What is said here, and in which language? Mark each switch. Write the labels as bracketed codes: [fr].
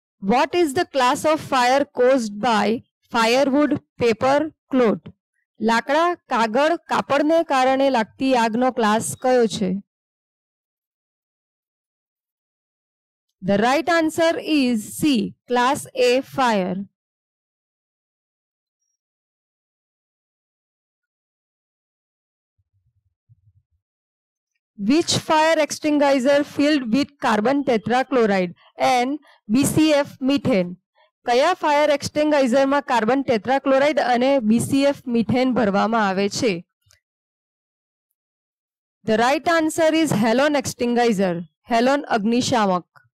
[en] What is the class of fire caused by firewood, paper, cloth? [gu] લાકડા, કાગળ, કાપડને કારણે લાગતી આગનો ક્લાસ કયો છે? [en] The right answer is C. Class A fire. Which fire extinguisher filled with carbon tetrachloride and BCF methane? [gu] કયા fire એક્સટિંગાઇઝરમાં carbon tetrachloride અને બીસીએફ methane ભરવામાં આવે છે? [en] The right answer is halon extinguisher, halon અગ્નિશામક.